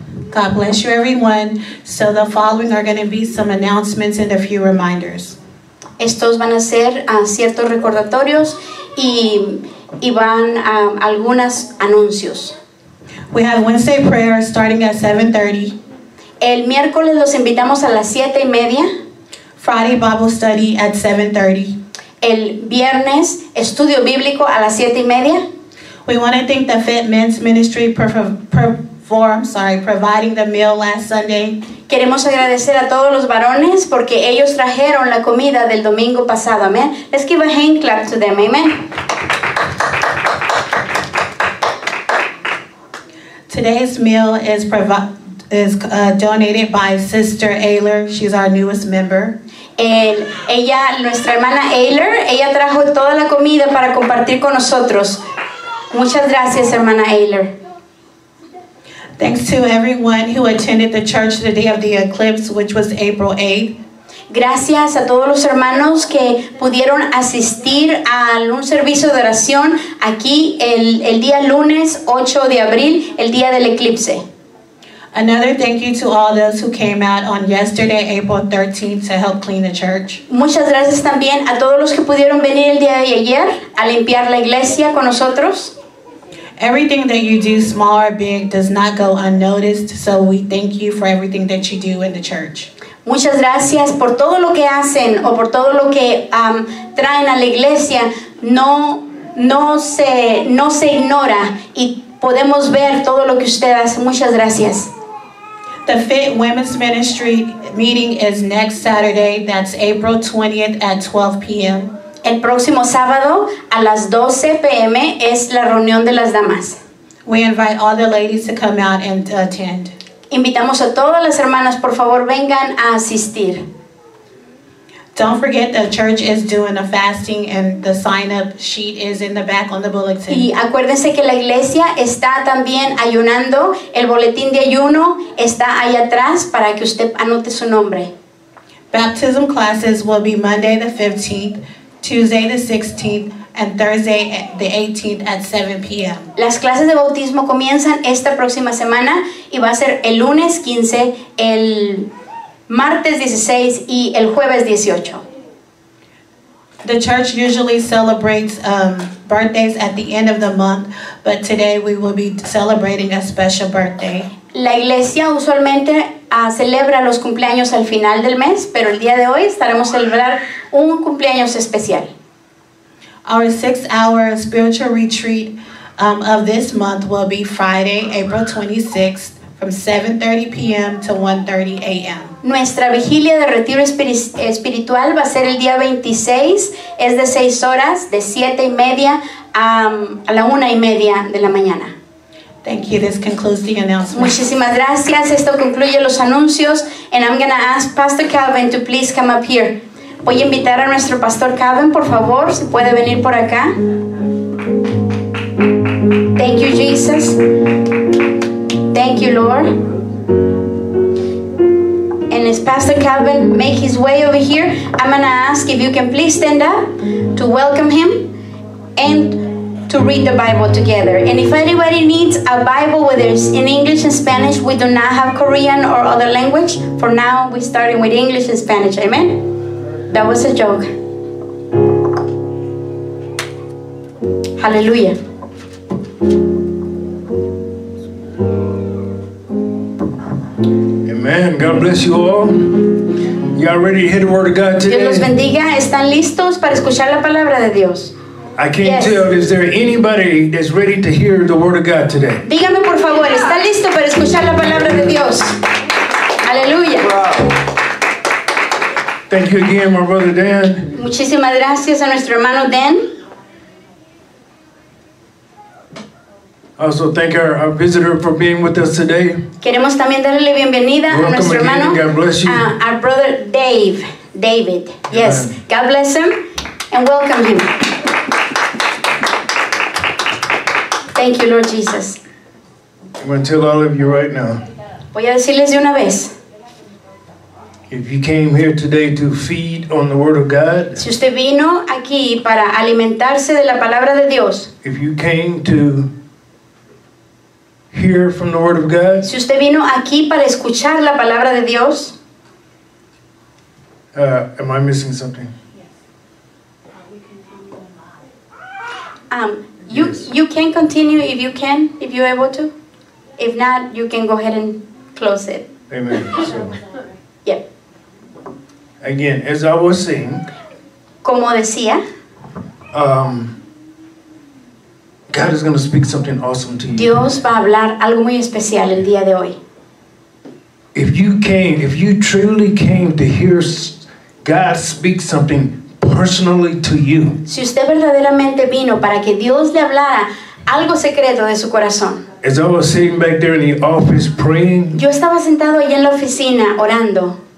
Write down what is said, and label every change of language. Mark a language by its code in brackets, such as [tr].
[en] God bless you, everyone. So the following are going to be some announcements and a few reminders. [es] Estos van a ser ciertos recordatorios y van algunas anuncios. [en] We have Wednesday prayer starting at 7:30. [es] El miércoles los invitamos a las 7:30. [en] Friday Bible study at 7:30. [es] El viernes estudio bíblico a las 7:30. [en] We want to thank the Fit Men's Ministry providing the meal last Sunday. [es] Queremos agradecer a todos los varones porque ellos trajeron la comida del domingo pasado. [en] Amen. Let's give a hand clap to them. Amen. Today's meal is donated by Sister Ayler. She's our newest member. [es] Nuestra hermana Ayler, ella trajo toda la comida para compartir con nosotros. Muchas gracias, hermana Ayler. [en] Thanks to everyone who attended the church the day of the eclipse, which was April 8th. [es] Gracias a todos los hermanos que pudieron asistir a un servicio de oración aquí el día lunes 8 de abril, el día del eclipse. [en] Another thank you to all those who came out on yesterday, April 13th, to help clean the church. [es] Muchas gracias también a todos los que pudieron venir el día de ayer a limpiar la iglesia con nosotros. [en] Everything that you do, small or big, does not go unnoticed, so we thank you for everything that you do in the church. [es] Muchas gracias por todo lo que hacen o por todo lo que traen a la iglesia. No se ignora y podemos ver todo lo que usted hace. Muchas gracias. [en] The Fit Women's Ministry meeting is next Saturday. That's April 20th at 12 p.m. [es] El próximo sábado a las 12 p.m. es la reunión de las damas. [en] We invite all the ladies to come out and attend. [es] Invitamos a todas las hermanas, por favor, vengan a asistir. [en] Don't forget the church is doing a fasting and the sign-up sheet is in the back on the bulletin. [es] Y acuérdense que la iglesia está también ayunando. El boletín de ayuno está ahí atrás para que usted anote su nombre. [en] Baptism classes will be Monday the 15th, Tuesday the 16th, and Thursday the 18th at 7 p.m. [es] Las clases de bautismo comienzan esta próxima semana y va a ser el lunes 15, el martes 16 y el jueves 18. [en] The church usually celebrates birthdays at the end of the month, but today we will be celebrating a special birthday. [es] La iglesia usualmente celebra los cumpleaños al final del mes, pero el día de hoy estaremos celebrando un cumpleaños especial. [en] Our 6-hour spiritual retreat of this month will be Friday, April 26th, from 7:30 p.m. to 1:30 a.m. [es] Nuestra vigilia de retiro espiritual va a ser el día 26, es de 6 horas, de 7:30 a la 1:30 de la mañana. [en] Thank you. This concludes the announcement. [es] Muchísimas gracias. Esto concluye los anuncios. [en] And I'm going to ask Pastor Calvin to please come up here. [es] Voy a invitar a nuestro Pastor Calvin, por favor, si puede venir por acá. [en] Thank you, Jesus. Thank you, Lord. And as Pastor Calvin make his way over here, I'm going to ask if you can please stand up to welcome him and to read the Bible together. And if anybody needs a Bible, whether it's in English and Spanish, we do not have Korean or other language. For now, we're starting with English and Spanish. Amen? That was a joke. Hallelujah. Amen. God bless you all. Y'all ready to hear the word of God today? [es] Dios los bendiga. ¿Están listos para escuchar la palabra de Dios? [en] I can't tell. Is there anybody that's ready to hear the word of God today? [es] Dígame por favor, ¿está listo para escuchar la palabra de Dios? Aleluya. [en] Thank you again, my brother Dan. [es] Muchísimas gracias a nuestro hermano Dan. [en] Also, thank our visitor for being with us today. [es] Queremos también darle bienvenida a nuestro hermano. [en] God bless you. Our brother David. Yes. Amen. God bless him and welcome him. Thank you, Lord Jesus. I'm going to tell all of you right now. [es] Voy a decirles de una vez. [en] If you came here today to feed on the Word of God, [es] si usted vino aquí para alimentarse de la palabra de Dios, [en] if you came to hear from the Word of God, [es] si usted vino aquí para escuchar la palabra de Dios, [en] am I missing something? You can continue if you can, if you're able to. If not, you can go ahead and close it. Amen. So, yeah. Again, as I was saying, [es] como decía, [en] God is going to speak something awesome to you. [es] Dios va a hablar algo muy especial el día de hoy. [en] If you came, if you truly came to hear God speak something personally to you, [es] si usted verdaderamente vino para que Dios le hablara algo secreto de su corazón, [en] as I was sitting back there in the office praying, [es] yo estaba sentado allí en la oficina orando,